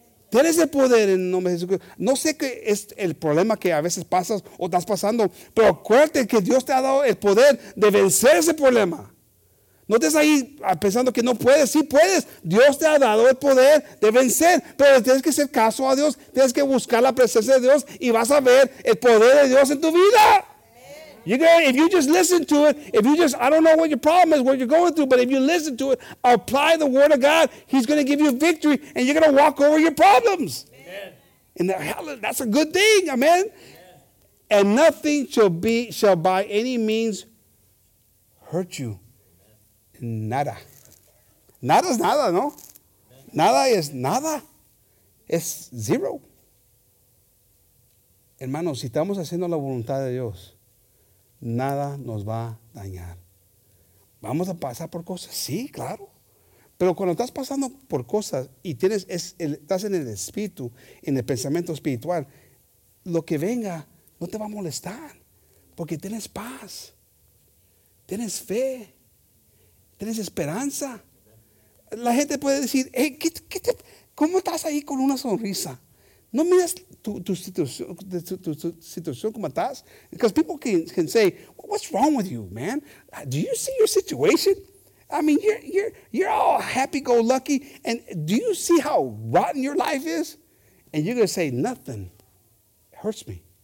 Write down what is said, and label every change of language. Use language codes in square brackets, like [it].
[es] Tienes el poder en el nombre de Jesucristo. No sé qué es el problema que a veces pasas o estás pasando, pero acuérdate que Dios te ha dado el poder de vencer ese problema. No estés ahí pensando que no puedes. Sí puedes. Dios te ha dado el poder de vencer, pero tienes que hacer caso a Dios. Tienes que buscar la presencia de Dios y vas a ver el poder de Dios en tu vida. [en] If you just listen to it, I don't know what your problem is, what you're going through, but if you listen to it, apply the word of God, he's going to give you victory, and you're going to walk over your problems. Amen. And that's a good thing, amen? Yeah. And nothing shall by any means hurt you. [es] Nada. Nada es nada, no? Nada es nada. Es zero. Hermanos, si estamos haciendo la voluntad de Dios, nada nos va a dañar. ¿Vamos a pasar por cosas? Sí, claro. Pero cuando estás pasando por cosas y estás en el espíritu, en el pensamiento espiritual, lo que venga no te va a molestar porque tienes paz, tienes fe, tienes esperanza. La gente puede decir, hey, ¿cómo estás ahí con una sonrisa? No miras tu situación como estás. [en] Because people can say, well, what's wrong with you, man? Do you see your situation? I mean, you're all happy-go-lucky. And do you see how rotten your life is? And you're going to say, nothing hurts me.